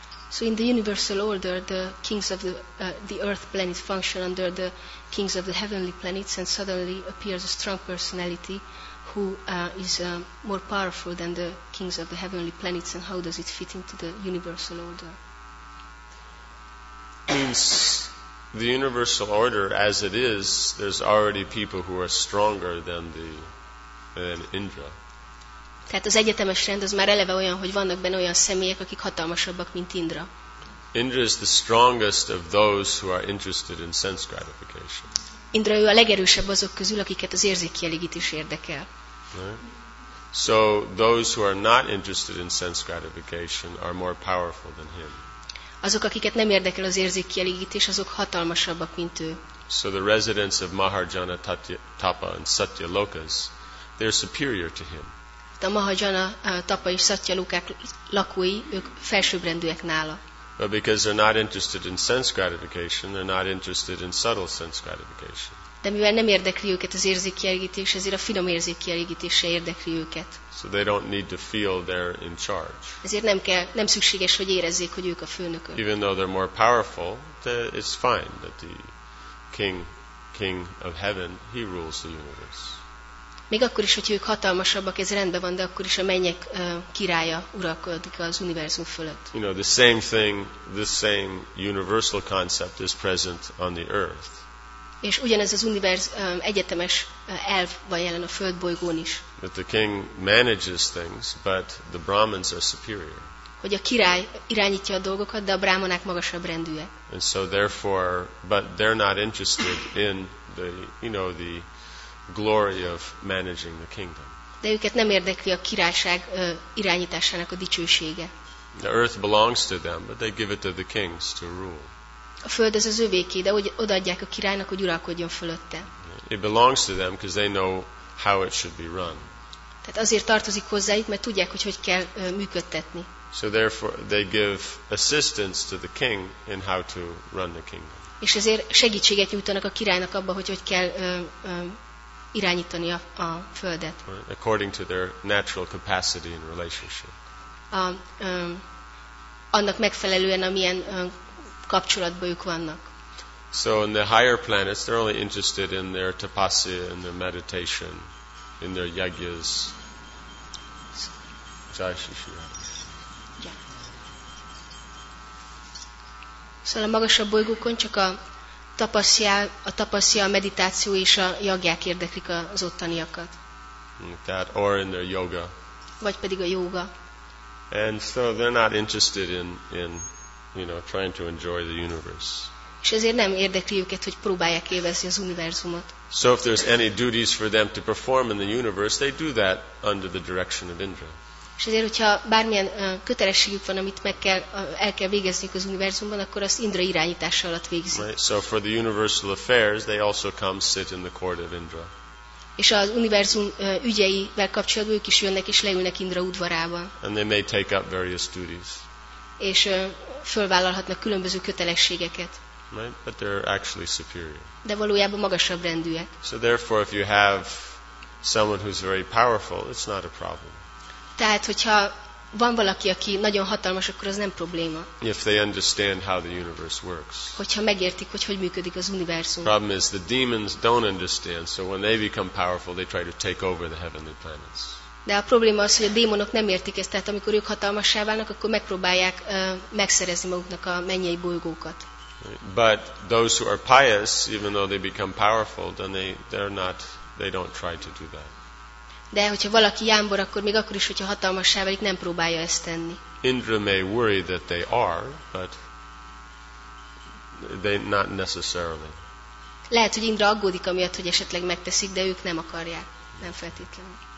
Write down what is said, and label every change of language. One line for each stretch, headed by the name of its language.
English: So in the universal order, the kings of the earth planets function under the kings of the heavenly planets, and suddenly appears a strong personality who is more powerful than the kings of the heavenly planets. And how does it fit into the universal order? Means the universal order as it is, there's already people who are stronger than Indra.
Hungarian: Tehát az egyetemes rend az már eleve olyan, hogy vannak benne olyan személyek, akik hatalmasabbak, mint Indra.
English: Indra is the strongest of those who are interested in sense gratification.
Hungarian: Indra ő a legerősebb azok közül, akiket az érzékkielégítés érdekel.
English: Right? So those who are not interested in sense gratification are more powerful than him.
Hungarian: Azok, akiket nem érdekel az érzékkielégítés, azok hatalmasabbak, mint ő.
English: So the residents of Maharjana Tapa and Satya Lokas, they're superior to him.
Hungarian: A Mahajana Tapa és Satya Lokák lakói, ők felsőbbrendűek nála.
English: But because they're not interested in sense gratification, they're not interested in subtle sense gratification.
Hungarian: De mivel nem érdekli őket az érzékkielégítés, ezért a finom érzékkielégítés se érdekli őket.
English: So they don't need to feel they're in charge.
Hungarian: Ezért nem szükséges, hogy érezzék, hogy ők a főnökök.
English: Even though they're more powerful, it's fine that the king of heaven, he rules the universe.
Hungarian: Még akkor is, hogyha ők hatalmasabbak, ez rendben van, de akkor is a mennyek királya uralkodik az univerzum fölött.
English: You know, the same thing, the same universal concept is present on the earth.
Hungarian: És ugyanez az egyetemes elv van jelen a föld bolygón is.
English: That the king manages things, but the brahmins are superior.
Hungarian: Hogy a király irányítja a dolgokat, de a brahmanák magasabb rendűek.
English: And so therefore, but they're not interested in the, you know, the glory of managing the kingdom.
Hungarian: De őket nem érdekli a királyság irányításának a dicsősége.
English: The earth belongs to them, but they give it to the kings to rule.
Hungarian: A föld az övéké, de hogy odaadják a királynak, hogy uralkodjon fölötte.
English: It belongs to them because they know how it should be run.
Hungarian: Tehát azért tartozik hozzájuk, mert tudják, hogy kell működtetni.
English: So therefore they give assistance to the king in how to run the kingdom.
Hungarian: És ezért segítséget nyújtanak a királynak abban, hogy kell irányítani a földet.
English: According to their natural capacity and relationship.
Hungarian: annak megfelelően, amilyen kapcsolatban ők vannak.
English: So in the higher planets, they're only interested in their tapasya, in their meditation, in their yajnas.
Hungarian: Szóval a magasabb bolygókon csak a tapasya, a meditáció és a jagják érdeklik az ottaniakat.
English: That or in their yoga.
Hungarian: Vagy pedig a yoga.
English: And so they're not interested in you know, trying to enjoy the universe.
Hungarian: És ezért nem érdekli őket, hogy próbálják élvezni az univerzumot.
English: So if there's any duties for them to perform in the universe, they do that under the direction of Indra.
Hungarian: És ezért, hogyha bármilyen kötelességük van, amit meg kell, el kell végezniük az univerzumban, akkor azt Indra irányítása alatt végzik.
English: Right. So for the universal affairs, they also come sit in the court of Indra.
Hungarian: És az univerzum ügyeivel kapcsolatban ők is jönnek és leülnek Indra udvarában.
English: And they may take up various duties.
Hungarian: És fölvállalhatnak különböző kötelességeket.
English: Right. But they're actually superior.
Hungarian: De valójában magasabb rendűek.
English: So therefore, if you have someone who's very powerful, it's not a problem.
Hungarian: Tehát, hogyha van valaki, aki nagyon hatalmas, akkor az nem probléma.
English: If they understand how the universe works.
Hungarian: Hogyha megértik, hogy hogy működik az univerzum.
English: Problem is, the demons don't understand, so when they become powerful, they try to take over the heavenly planets.
Hungarian: De a probléma az, hogy a démonok nem értik ezt, tehát amikor ők hatalmassá válnak, akkor megpróbálják megszerezni maguknak a mennyei bolygókat.
English: But those who are pious, even though they become powerful, then they don't try to do that.
Hungarian: De hogyha valaki jámbor, akkor még akkor is, hogyha hatalmassá válik, nem próbálja ezt tenni.
English: Indra may worry that they are, but they not necessarily.
Hungarian: Lehet, hogy Indra aggódik amiatt, hogy esetleg megteszik, de ők nem akarják, nem feltétlenül.